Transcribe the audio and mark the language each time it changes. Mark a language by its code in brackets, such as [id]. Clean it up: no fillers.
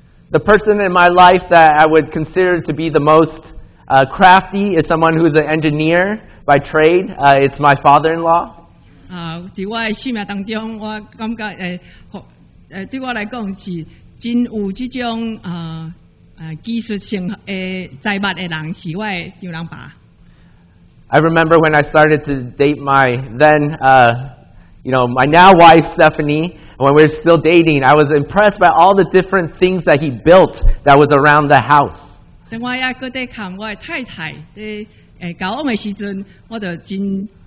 [en] The person in my life that I would consider to be the most crafty is someone who is an engineer by trade. It's my father-in-law. [nan] 在我的生命当中，我感觉对我来讲是真有这种技术性的才华的人，是我的丈人爸。 [en] I remember when I started to date my then, my now wife Stephanie. When we were still dating, I was impressed by all the different things that he built that was around the house. [nan] 当我也搁在看我的太太的交往的时阵，我就真。